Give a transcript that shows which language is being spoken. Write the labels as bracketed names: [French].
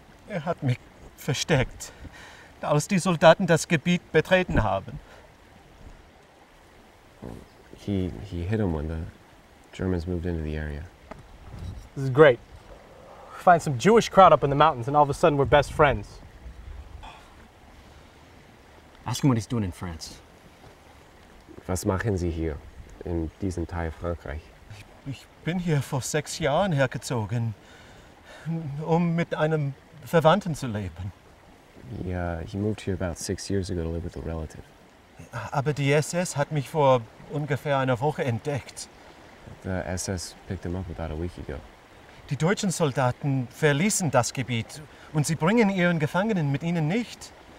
[German] Er hat mich versteckt, als die Soldaten das Gebiet betreten haben. [English] He hit him when the Germans moved into the area. This is great. Find some Jewish crowd up in the mountains and all of a sudden we're best friends. Ask him what he's doing in France. [German] Was machen sie hier in diesem Teil Frankreich? Ich bin hier vor 6 Jahren hergezogen, um mit einem Verwandten zu leben. [English] He moved here about 6 years ago to live with a relative. [German] Aber die SS hat mich vor ungefähr einer Woche entdeckt. [English] The SS picked him up about a week ago. [German] Die deutschen Soldaten verließen das Gebiet und sie bringen ihren Gefangenen mit ihnen nicht.